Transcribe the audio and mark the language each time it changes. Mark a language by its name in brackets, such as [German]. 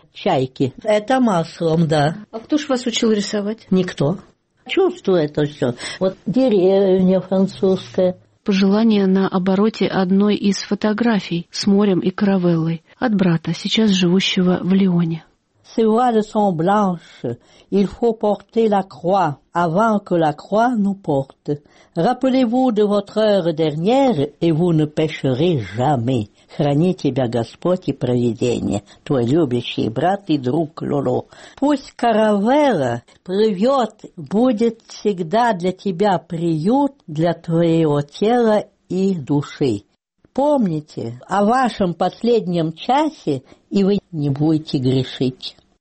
[Russian] Чайки. Это маслом, да. А кто ж вас учил рисовать? Никто. Чувствую это все. Вот деревня французская. Пожелание на обороте одной из фотографий с морем и каравеллой от брата, сейчас живущего в Лионе. [French] Ces voiles sont blanches, il faut porter la croix avant que la croix nous porte. Rappelez-vous de votre heure dernière et vous ne pécherez jamais. [Russian] Храни тебя Господь и провидение, твой любящий брат и друг Лоло. Пусть каравелла плывет, будет всегда для тебя приют для твоего тела и души. Помните о вашем последнем часе, и вы не будете грешить.